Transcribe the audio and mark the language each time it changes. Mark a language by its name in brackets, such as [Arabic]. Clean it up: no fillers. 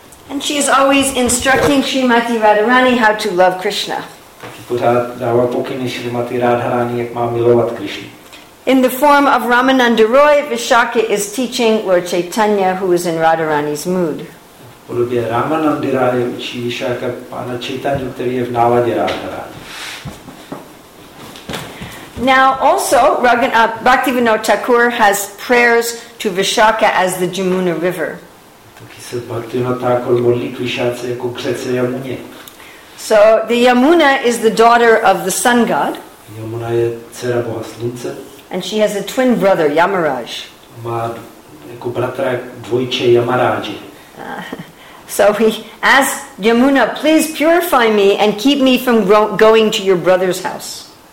[English] And she is always instructing Srimati Radharani how to love Krishna. [Czech] Pořád dává pokyny Srimati Radharani, jak má milovat Krishna. [English] In the form of Ramananda Roy, Vishakha is teaching Lord Chaitanya, who is in Radharani's mood. [Czech] V podobě Ramanandy Roy učí Vishakha pana Chaitanya, který je v náladě Radharani. [English] Now also Bhaktivinoda Thakur has prayers to Vishakha as the Jamuna River. [Czech] Taky se Bhaktivinoda Thakur modlí k Vishakha jako k řece Jamuně. [English] So the Yamuna is the daughter of the sun god. [Czech] Yamuna je dcera boha slunce. [English] And she has a twin brother Yamaraj. [Czech] Má jako bratra dvojče Yamaraji. [English] So he asks Yamuna, please purify me and keep me from going to your brother's house.